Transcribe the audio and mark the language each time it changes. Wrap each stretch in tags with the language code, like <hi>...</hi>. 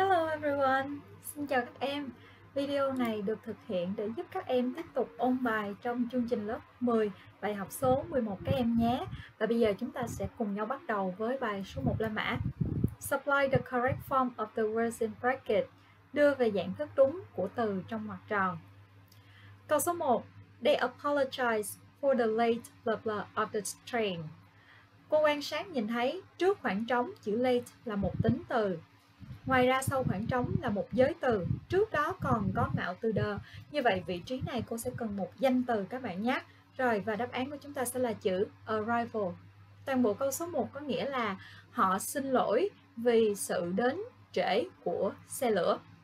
<vi>Everyone, xin chào các em. Video này được thực hiện để giúp các em tiếp tục ôn bài trong chương trình lớp 10, bài học số 11 các em nhé. Và bây giờ chúng ta sẽ cùng nhau bắt đầu với bài số 1 La Mã.</vi> <en>Supply the correct form of the words in bracket.</en> <vi>Đưa về dạng thức đúng của từ trong ngoặc tròn. Câu số 1.</vi> <en>They apologize for the late blah blah of the train.</en> <vi>Cô quan sát nhìn thấy trước khoảng trống chữ late là một tính từ. Ngoài ra sau khoảng trống là một giới từ, trước đó còn có mạo từ the. Như vậy vị trí này cô sẽ cần một danh từ các bạn nhé. Rồi và đáp án của chúng ta sẽ là chữ arrival. Toàn bộ câu số 1 có nghĩa là họ xin lỗi vì sự đến trễ của xe lửa.</vi>